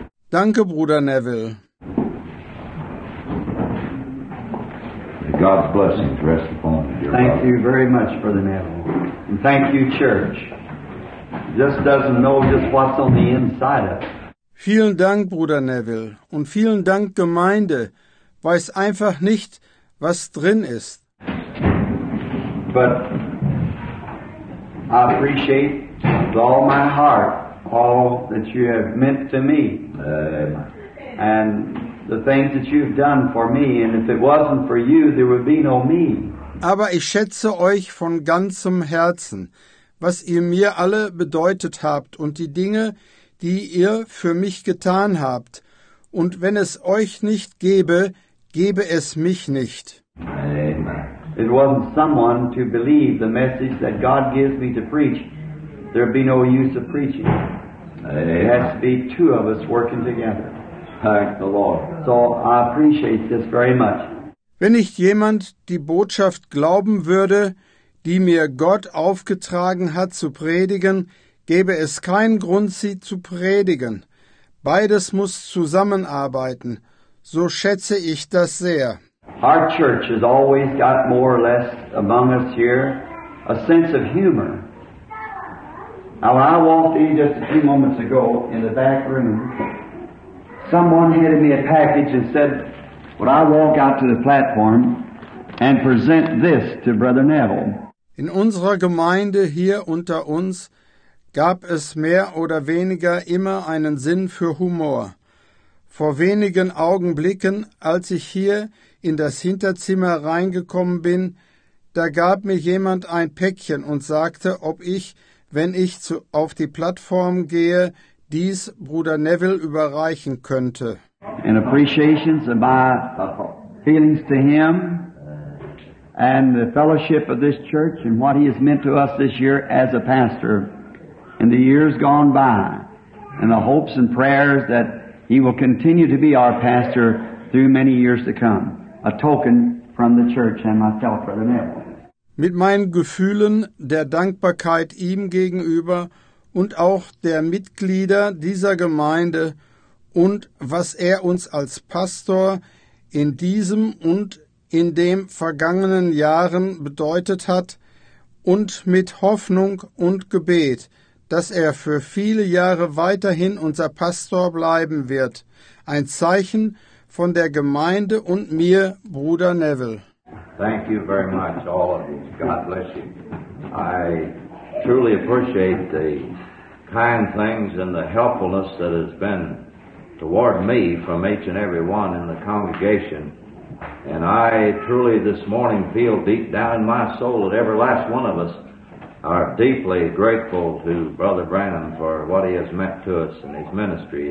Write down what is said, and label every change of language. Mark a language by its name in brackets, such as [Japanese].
[German] Danke, Bruder Neville. [English] God's blessings rest upon you. Thank you very much, Brother Neville. And thank you, Church. Just doesn't know just what's on the inside of it. [German] Vielen Dank, Bruder Neville. Und vielen Dank, Gemeinde. Weiß einfach nicht, was drin ist. [English] But I appreciate with all my heart all that you have meant to me. And the things that you've done for me, and if it wasn't for you, there would be no me. [German] Aber ich schätze euch von ganzem Herzen, was ihr mir alle bedeutet habt und die Dinge, die ihr für mich getan habt. Und wenn es euch nicht gäbe, gäbe es mich nicht. Amen. [English] It wasn't someone to believe the message that God gives me to preach. There would be no use of preaching. Amen. It has to be two of us working together. Thank the Lord. So I appreciate this very much. [German] Wenn nicht jemand die Botschaft glauben würde, die mir Gott aufgetragen hat zu predigen, gäbe es keinen Grund, sie zu predigen. Beides muss zusammenarbeiten. So schätze ich das sehr. [English] Our church has always got more or less among us here a sense of humor. Now when I walked in just a few moments ago in the back room. Someone handed me a package and said, "Would I walk out to the platform and present this to Brother Neville?" [German] In unserer Gemeinde hier unter uns gab es mehr oder weniger immer einen Sinn für Humor. Vor wenigen Augenblicken, als ich hier in das Hinterzimmer reingekommen bin, da gab mir jemand ein Päckchen und sagte, ob ich, wenn ich auf die Plattform gehe, dies Bruder Neville überreichen könnte. [English] In appreciations of my feelings to him and the fellowship of this church and what he has meant to us this year as a pastor in the years gone by and the hopes and prayers that he will continue to be our pastor through many years to come. A token from the church and myself, Brother Neville. [German] Mit meinen Gefühlen der Dankbarkeit ihm gegenüber und auch der Mitglieder dieser Gemeinde und was er uns als Pastor in diesem und in den vergangenen Jahren bedeutet hat und mit Hoffnung und Gebet, dass er für viele Jahre weiterhin unser Pastor bleiben wird. Ein Zeichen von der Gemeinde und mir, Bruder Neville. [English] Thank you very much, all of you. God bless you. I truly appreciate the kind things and the helpfulness that has been toward me from each and every one in the congregation. And I truly this morning feel deep down in my soul that every last one of us are deeply grateful to Brother Branham for what he has meant to us in his ministry.